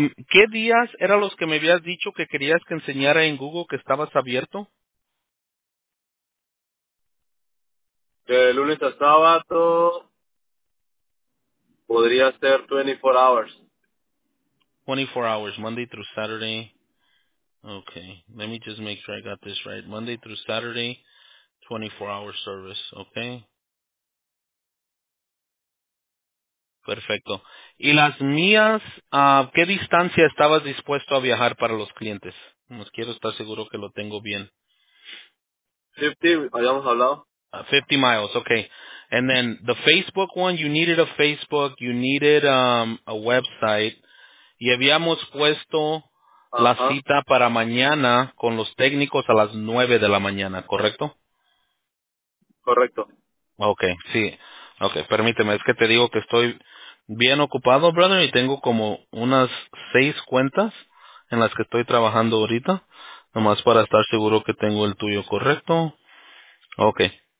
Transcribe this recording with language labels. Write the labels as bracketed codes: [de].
[es] ¿Qué días eran los que me habías dicho que querías que enseñara en Google que estabas abierto? De lunes a sábado, podría ser [en] 24 hours. 24 hours, Monday through Saturday. Okay, let me just make sure I got this right. Monday through Saturday, 24-hour service, okay? [es] Perfecto. ¿Y las mías, a qué distancia estabas dispuesto a viajar para los clientes? Nos quiero estar seguro que lo tengo bien. 50, habíamos hablado. [en] 50 miles, okay. And then the Facebook one, you needed a Facebook, you needed a website. [es] Y habíamos puesto la cita para mañana con los técnicos a las 9 de la mañana, ¿correcto? Correcto. Okay, sí. Okay, permíteme, es que te digo que estoy bien ocupado, brother, y tengo como unas 6 cuentas en las que estoy trabajando ahorita, nomás para estar seguro que tengo el tuyo correcto. Okay.